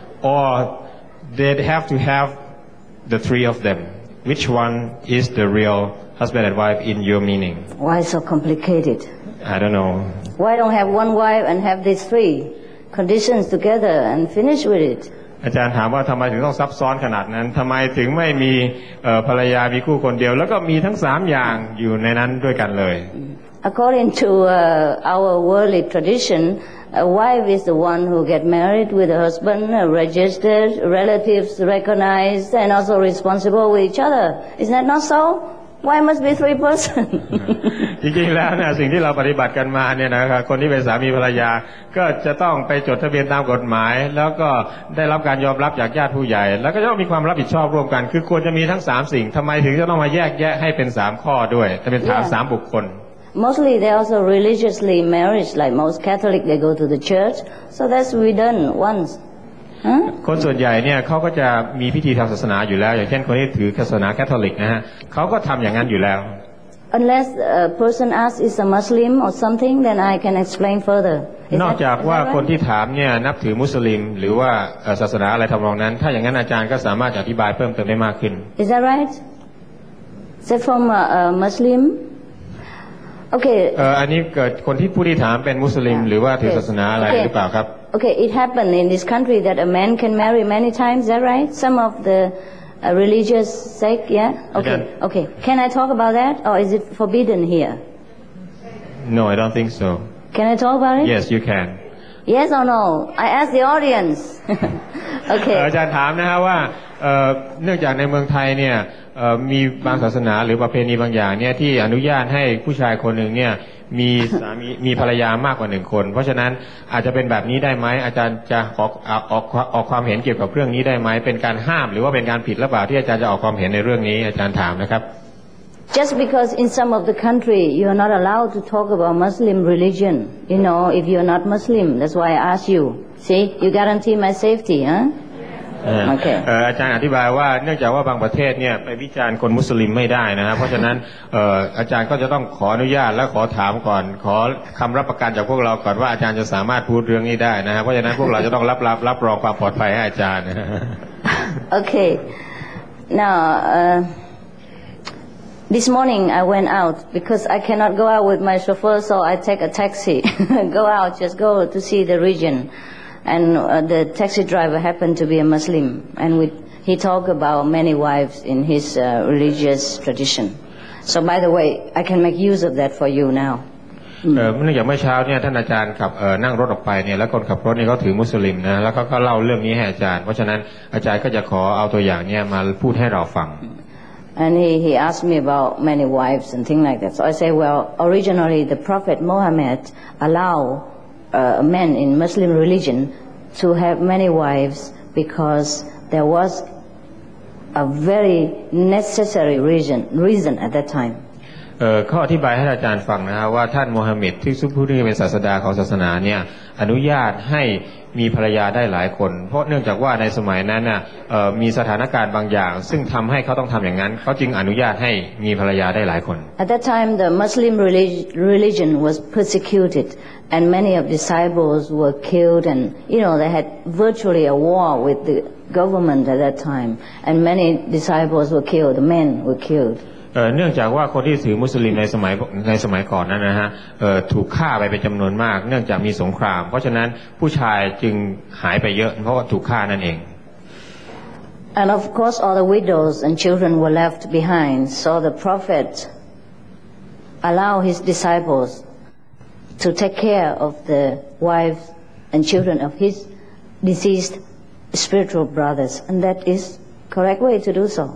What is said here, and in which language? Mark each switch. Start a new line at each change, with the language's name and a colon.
English: Or they have to have the three of them. Which one is the real husband and wife in your meaning? Why so complicated? I don't know. Why don't have one wife and have these three conditions together and finish with it?
Thai: อาจารย์ถามว่าทำไมถึงต้องซับซ้อนขนาดนั้นทำไมถึงไม่มีภรรยามีคู่คนเดียวแล้วก็มีทั้งสามอย่างอยู่ในนั้นด้วยกันเลย
English: According to our worldly tradition, a wife is the one who get married with a husband, registered, relatives recognized, and also responsible with each other. Is that not so? Why must be three persons?
Thai: จริงๆแล้วเนี่ยสิ่งที่เราปฏิบัติกันมาเนี่ยนะครับคนที่เป็นสามีภรรยาก็จะต้องไปจดทะเบียนตามกฎหมายแล้วก็ได้รับการยอมรับจากญาติผู้ใหญ่แล้วก็ต้องมีความรับผิดชอบร่วมกันคือควรจะมีทั้งสามสิ่งทำไมถึงจะต้องมาแยกแยะให้เป็นสามข้อด้วยจะเป็นสามบุคคล
English: Mostly they also religiously married like most Catholic they go to the church so that's we done once
Thai: คนส่วนใหญ่เนี่ยเขาก็จะมีพิธีทางศาสนาอยู่แล้วอย่างเช่นคนที่ถือศาสนาแคทอลิกนะฮะเขาก็ทำอย่างนั้นอยู่แล้ว
English: unless a person asks is a Muslim or something then I can explain further
Thai: นอกจากว่าคนที่ถามเนี่ยนับถือมุสลิมหรือว่าศาสนาอะไรทำนองนั้นถ้าอย่างนั้นอาจารย์ก็สามารถอธิบายเพิ่มเติมได้มากขึ้น
English: is that right is that from a MuslimOkay.
Thai: อันนี้เกิดคนที่ผู้ที่ถามเป็นมุสลิมหรือว่าถือศาสนาอะไร okay. หรือเปล่าครับ
English: Okay. It happened in this country that a man can marry many times. Is that right? Some of the religious sect. Yeah. Okay. Okay. Can I talk about that or is it forbidden here? No, I don't think so. Can I talk about it? Yes, you can. Yes or no? I ask the audience. Okay.
Thai: อาจารย์ถามนะครับว่าเนื่องจากในเมืองไทยเนี่ยมีบางศาสนาหรือประเพณีบางอย่างเนี่ยที่อนุญาตให้ผู้ชายคนหนึ่งเนี่ยมีสามีมีภรรยามากกว่าหนึ่งคนเพราะฉะนั้นอาจจะเป็นแบบนี้ได้ไหมอาจารย์จะออกความเห็นเกี่ยวกับเรื่องนี้ได้ไหมเป็นการห้ามหรือว่าเป็นการผิดหรือเปล่าที่อาจารย์จะออกความเห็นในเรื่องนี้อาจารย์ถามนะครับ
English: Just because in some of the country you are not allowed to talk about Muslim religion you know if you are not Muslim that's why I ask you see you guarantee my safety huhOkay.
Thai: อาจารย์อธิบายว่าเนื่องจากว่าบางประเทศเนี่ยไปวิจารณ์คนมุสลิมไม่ได้นะครับเพราะฉะนั้นอาจารย์ก็จะต้องขออนุญาตและขอถามก่อนขอคำรับประกันจากพวกเราก่อนว่าอาจารย์จะสามารถพูดเรื่องนี้ได้นะครับเพราะฉะนั้นพวกเราจะต้องรับรองความปลอดภัยให้อาจารย์โอเค
English: now this morning I went out because I cannot go out with my chauffeur so I take a taxi go out just go to see the regionAnd the taxi driver happened to be a Muslim, and he talked about many wives in his religious tradition. So, by the way, I can make use of that for you now.
Thai: อย่างเมื่อเช้าเนี่ยท่านอาจารย์ขับนั่งรถออกไปเนี่ยแล้วคนขับรถเนี่ยเขาถือมุสลิมนะแล้วก็เล่าเรื่องนี้ให้อาจารย์เพราะฉะนั้นอาจารย์ก็จะขอเอาตัวอย่างเนี่ยมาพูดให้เราฟัง
English: And he asked me about many wives and things like that. So I say, well, originally the Prophet Muhammad allowed. Men in Muslim religion to have many wives because there was a very necessary reason at that time.
Thai: ข้ออธิบายให้อาจารย์ฟังนะครับว่าท่านมูฮัมหมัดที่ซึ่งผู้ที่เป็นศาสดาของศาสนาเนี่ยอนุญาตให้มีภรรยาได้หลายคนเพราะเนื่องจากว่าในสมัยนั้นน่ะมีสถานการณ์บางอย่างซึ่งทำให้เขาต้องทำอย่างนั้นเขาจึงอนุญาตให้มีภรรยาได้หลายคน
English: At that time the Muslim religion was persecutedAnd many of disciples were killed, and you know they had virtually a war with the government at that time. And many disciples were killed. Men were killed.
Thai: เนื่องจากว่าคนที่ถือมุสลิมในสมัยก่อนนั้นนะฮะถูกฆ่าไปเป็นจำนวนมากเนื่องจากมีสงครามเพราะฉะนั้นผู้ชายจึงหายไปเยอะเพราะถูกฆ่านั่นเอง
English: And of course, all the widows and children were left behind. So the prophet allowed his disciples. To take care of the wives and children of his deceased spiritual brothers, and that is correct way to do so.